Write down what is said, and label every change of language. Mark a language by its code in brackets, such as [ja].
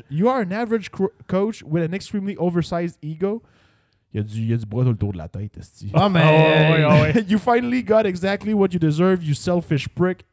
[en] You are an average coach with an extremely oversized ego. [fr] Il y a du bras tout le tour de la tête, esti. [en] Oh, man. You finally got exactly what you deserve, you selfish prick.